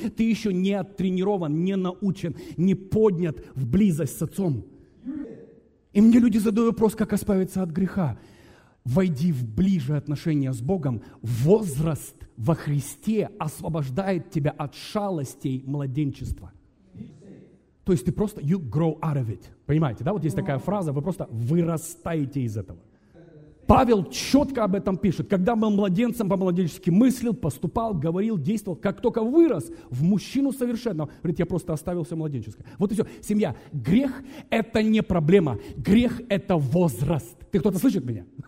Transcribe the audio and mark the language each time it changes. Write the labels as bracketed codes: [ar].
[ru] Ты еще не оттренирован, не научен, не поднят в близость с отцом. И мне люди задают вопрос, как избавиться от греха. Войди в ближе отношения с Богом. Возраст во Христе освобождает тебя от шалостей младенчества. То есть ты просто, [en] you grow out of it. [ru] Понимаете, да? Вот есть такая фраза, вы просто вырастаете из этого. Павел четко об этом пишет. Когда был младенцем, по-младенчески мыслил, поступал, говорил, действовал. Как только вырос в мужчину совершенного, говорит, я просто оставил все младенческое. Вот и все. Семья, грех – это не проблема. Грех – это возраст. Ты кто-то слышит меня?